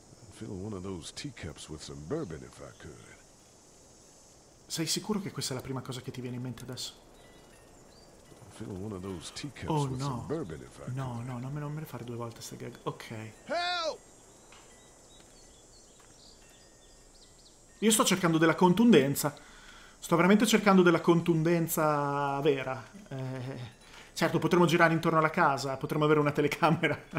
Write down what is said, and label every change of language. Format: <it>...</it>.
<en>Fill one of those teacups with some bourbon if I could.</en> <it>Sei sicuro che questa è la prima cosa che ti viene in mente adesso?</it> <en>fill one of those teacups with some bourbon if I can.</en> <it>Non me ne fare due volte sta gag. Ok.</it> <en>Help!</en> <it>Io sto cercando della contundenza. Sto veramente cercando della contundenza vera. Certo, potremmo girare intorno alla casa, potremmo avere una telecamera.</it>